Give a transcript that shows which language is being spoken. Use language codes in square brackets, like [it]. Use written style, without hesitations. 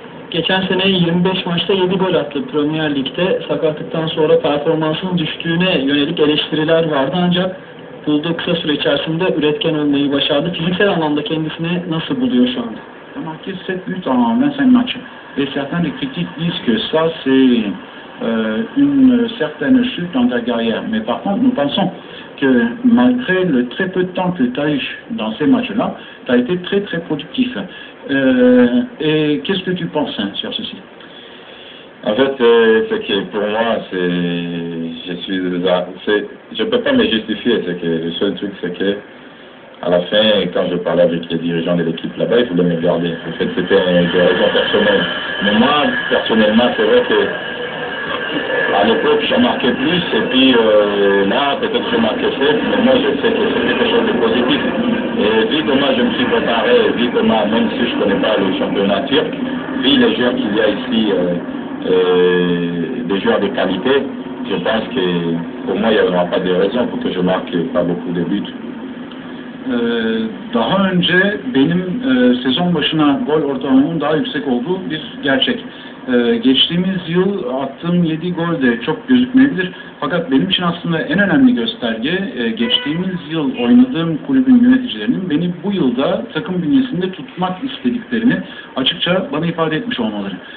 [tr] Geçen sene 25 maçta 7 gol attı Premier Lig'de. Sakatlıktan sonra performansının düştüğüne yönelik eleştiriler vardı ancak bulduğu kısa süre içerisinde üretken olmayı başardı. Fiziksel anlamda kendisini nasıl buluyor şu anda? Herkes set büyük tamamen senin maçın. Ve zaten kritik diz ki [fr] ça c'est une certaine chute dans ta carrière. Mais par contre, nous pensons que malgré le très peu de temps que tu as eu dans ces matchs-là, tu as été très très productif. Et qu'est-ce que tu penses hein, sur ceci? En fait, c'est que pour moi, je peux pas me justifier. C'est que le seul truc, c'est que à la fin, quand je parlais avec les dirigeants de l'équipe là-bas, ils voulaient me garder. En fait, c'était des raisons personnelles. Mais moi, personnellement, c'est vrai que à l'époque, j'en marquais plus. Et puis là, peut-être que je marquais plus. Mais moi, je sais que c'est quelque chose de positif. Et vu comment je me suis préparé, vu comment, même si je connais pas le championnat turc, vu les joueurs qu'il y a ici, des joueurs de qualité, je pense que pour moi, il n'y aura pas de raison pour que je marque pas beaucoup de buts. [tr] Daha önce benim sezon başına gol ortalamamın daha yüksek olduğu bir gerçek. Geçtiğimiz yıl attığım 7 gol de çok gözükmeyebilir. Fakat benim için aslında en önemli gösterge geçtiğimiz yıl oynadığım kulübün yöneticilerinin beni bu yılda takım bünyesinde tutmak istediklerini açıkça bana ifade etmiş olmaları.